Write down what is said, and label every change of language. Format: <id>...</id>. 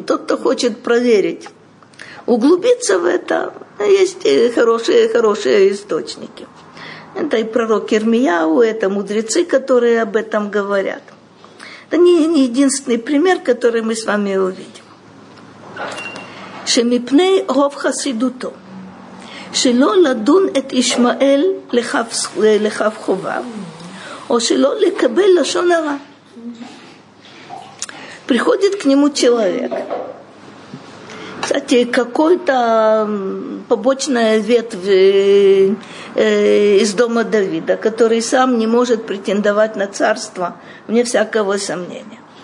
<ru>Тот, кто хочет проверить, углубиться в это, есть хорошие источники. Это и пророк Ирмияу, это мудрецы, которые об этом говорят. Это не единственный пример, который мы с вами увидим.</ru> <he>Шемипней гов хасидуто. שלא לדון את ישמעאל לחף חובה, או שלא לקבל לשון הרע.</he> <ru>Приходит к нему человек. Кстати, какой-то побочная ветвь из дома Давида, который сам не может претендовать на царство, вне всякого сомнения.</ru>